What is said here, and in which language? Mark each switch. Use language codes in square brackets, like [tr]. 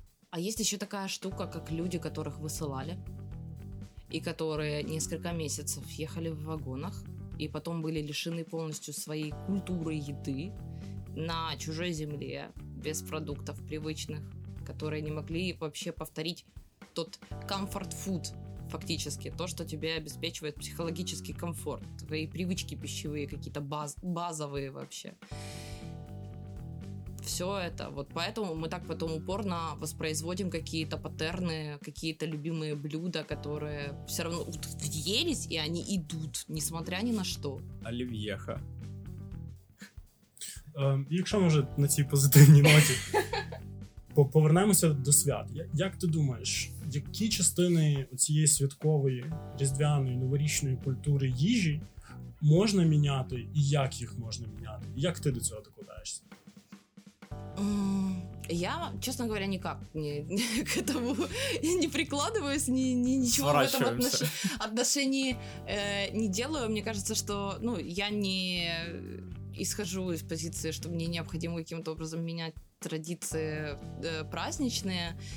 [ru] А есть еще такая штука, как люди, которых высылали, и которые несколько месяцев ехали в вагонах, и потом были лишены полностью своей культуры еды на чужой земле, без продуктов привычных, которые не могли вообще повторить тот комфорт-фуд, фактически, то, что тебе обеспечивает психологический комфорт, твои привычки пищевые какие-то базовые вообще. Все это. Вот поэтому мы так потом упорно воспроизводим какие-то паттерны, какие-то любимые блюда, которые все равно вот въелись, и они идут, несмотря ни на что. Оливьеха. [uk] Якщо може на цій позитивній ноті, повернемося до свят. Як ти думаєш, які частини цієї святкової, різдвяної, новорічної культури їжі можна міняти, і як їх можна міняти? Як ти до цього докладаєшся? [ru] Я, честно говоря, никак к этому не прикладываюсь, ничего в этом отношении не делаю. Мне кажется, что я не исхожу из позиции, что мне необходимо каким-то образом менять традиции праздничные.